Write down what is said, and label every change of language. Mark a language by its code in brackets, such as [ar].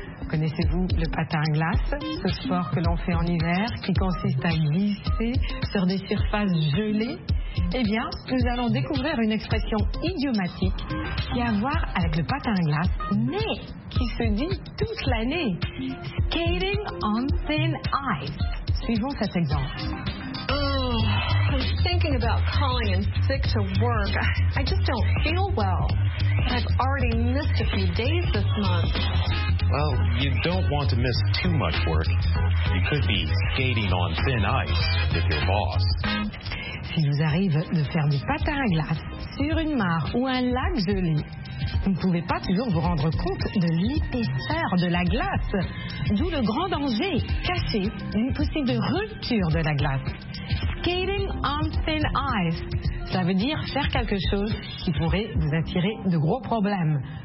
[fr] Connaissez-vous le patin à glace, ce sport que l'on fait en hiver qui consiste à glisser sur des surfaces gelées? Eh bien, nous allons découvrir une expression idiomatique qui a à voir avec le patin à glace, mais qui se dit toute l'année. [en] Skating on thin ice. [fr] Suivons cet exemple. [en] Oh, I'm thinking about calling in sick to work. I just don't feel well. I've already missed a few days this month. Well, you don't want to miss too much work. You could be skating on thin ice with your boss. [fr] S'il vous arrive de faire du patin à glace sur une mare ou un lac gelé, vous ne pouvez pas toujours vous rendre compte de l'épaisseur de la glace, d'où le grand danger, casser une possible rupture de la glace. [en] Skating on thin ice, [fr] ça veut dire faire quelque chose qui pourrait vous attirer de gros problèmes.